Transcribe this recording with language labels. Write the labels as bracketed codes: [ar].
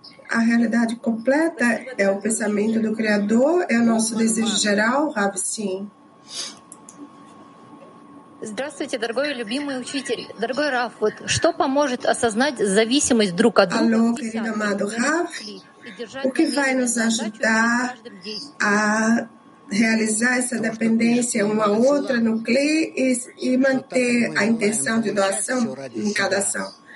[pt] A realidade completa é o pensamento do Criador, é o nosso desejo geral, Rabi? Sim. [ru] Здравствуйте, дорогой любимый учитель, дорогой Раф. Вот что поможет осознать зависимость друг от друга? [pt] Алло, querido amado Раф, o que vai nos ajudar a realizar essa dependência uma à outra no CLI e manter a intenção de doação em cada ação?